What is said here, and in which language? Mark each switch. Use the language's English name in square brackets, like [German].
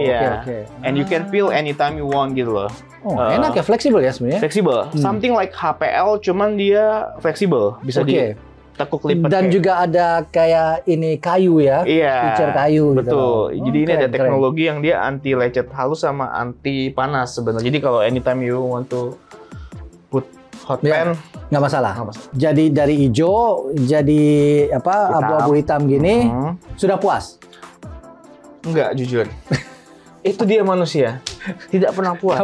[English] Okay. And you can peel anytime you want gitu loh. [Indonesian] Oh, enak ya, fleksibel ya sebenarnya. Fleksibel. Something like HPL cuman dia fleksibel, bisa ditekuk lipat. Dan juga ada kayak ini kayu ya, [English] feature [Indonesian] kayu gitu. Betul. Jadi ini ada teknologi yang dia anti lecet halus sama anti panas sebenarnya. [English] Jadi kalau anytime you want to put hot pan, [Indonesian] nggak masalah. Jadi dari hijau jadi apa hitam. Abu-abu hitam gini sudah puas? Nggak jujur, itu dia manusia tidak pernah puas.